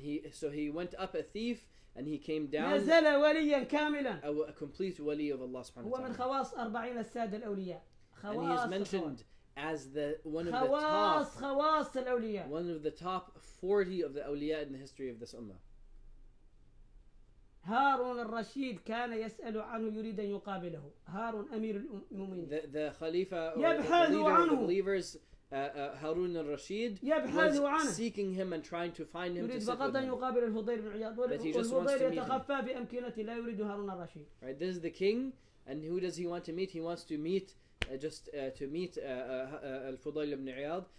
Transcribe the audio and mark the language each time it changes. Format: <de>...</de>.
<en>he went up a thief. And he came down a complete wali of Allah subhanahu wa ta'ala. And he is mentioned as one of the top 40 of the awliya in the history of this ummah.</en> <ar>هارون الرشيد كان يسأل عنه يريد أن يقابله. هارون أمير المؤمنين.</ar> <en>The Khalifa or the leader of the believers, Harun al-Rashid, was seeking him and trying to find him to sit with him. But he just wants to meet him. Right, this is the king, and who does he want to meet? He wants to meet Al-Fudayl ibn Iyad.</en>